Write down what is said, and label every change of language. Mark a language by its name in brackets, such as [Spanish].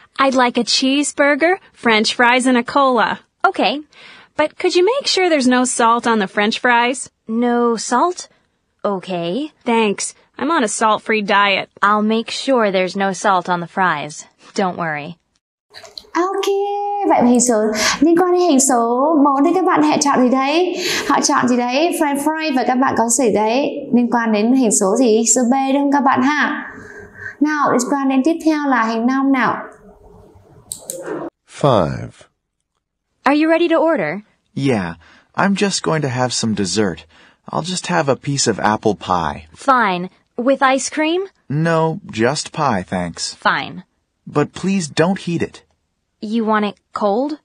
[English] I'd like a cheeseburger, french fries and a cola. Okay, but could you make sure there's no salt on the french fries? No salt? Okay. Thanks. I'm on a salt-free diet. I'll make sure there's no salt on the fries. Don't worry. [Vietnamese] Ok, vậy hình số liên quan đến hình số 4 thì các bạn hãy chọn gì đấy? Họ chọn gì đấy? French fry, và các bạn có gì đấy? Liên quan đến hình số gì? Số B đúng không các bạn ha? Nào, liên quan đến tiếp theo là hình 5 nào. 5. [English] Are you ready to order? Yeah, I'm just going to have some dessert. I'll just have a piece of apple pie. Fine. With ice cream? No, just pie, thanks. Fine. But please don't heat it. You want it cold?